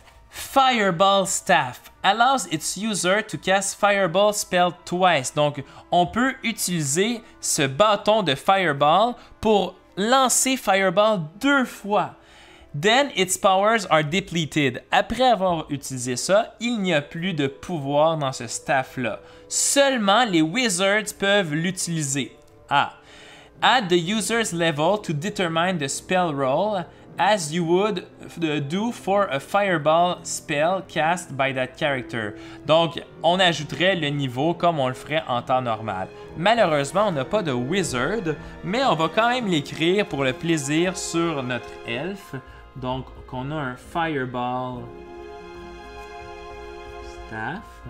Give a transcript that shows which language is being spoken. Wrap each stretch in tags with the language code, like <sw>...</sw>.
<en>Fireball Staff allows its user to cast Fireball spell twice.</en> <fr>Donc, on peut utiliser ce bâton de Fireball pour lancer Fireball deux fois.</fr> <en>Then its powers are depleted.</en> <fr>Après avoir utilisé ça, il n'y a plus de pouvoir dans ce staff-là. Seulement les wizards peuvent l'utiliser. Ah.</fr> <en>Add the user's level to determine the spell roll as you would do for a fireball spell cast by that character.</en> <fr>Donc, on ajouterait le niveau comme on le ferait en temps normal. Malheureusement, on n'a pas de wizard, mais on va quand même l'écrire pour le plaisir sur notre elfe. Donc, qu'on a un Fireball</fr> <en>staff.</en>